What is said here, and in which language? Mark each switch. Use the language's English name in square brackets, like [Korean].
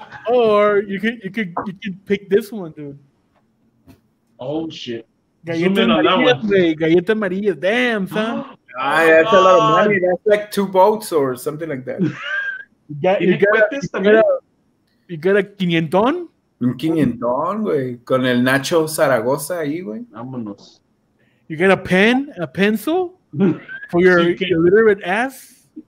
[English] Or you could pick this one, dude. Oh shit! Galleta Maria, damn son. That's a lot of money. That's like two boats or something like that. You got a quinientón. [Spanish] Un quinientón, güey, con el Nacho Zaragoza ahí, güey. Vámonos. [English] You got a pen, a pencil for your illiterate ass.